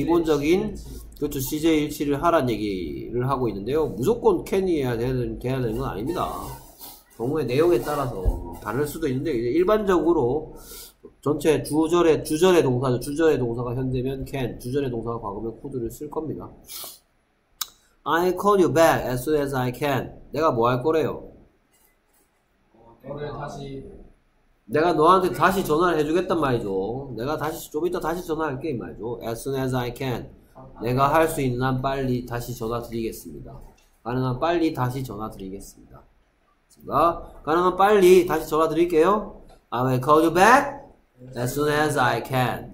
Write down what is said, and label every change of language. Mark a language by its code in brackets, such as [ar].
[ko] 기본적인 그렇죠. CJ일치를 하란 얘기를 하고 있는데요. 무조건 can이어야 돼야 되는 건 아닙니다. 경우의 내용에 따라서 다를 수도 있는데 이제 일반적으로 전체 주절의 동사죠. 주절의 동사가 현재면 can, 주절의 동사가 과거면 could를 쓸 겁니다. [en] I call you back as soon as I can. [ko] 내가 뭐할 거래요? 너를 다시 내가 너한테 다시 전화를 해주겠단 말이죠. 내가 다시 좀 이따 다시 전화할게 이 말이죠. [en] As soon as I can. [ko] 내가 할수 있는 한 빨리 다시 전화드리겠습니다. 가능한 빨리 다시 전화드리겠습니다. 가능한 빨리 다시 전화드릴게요. [en] I will call you back as soon as I can.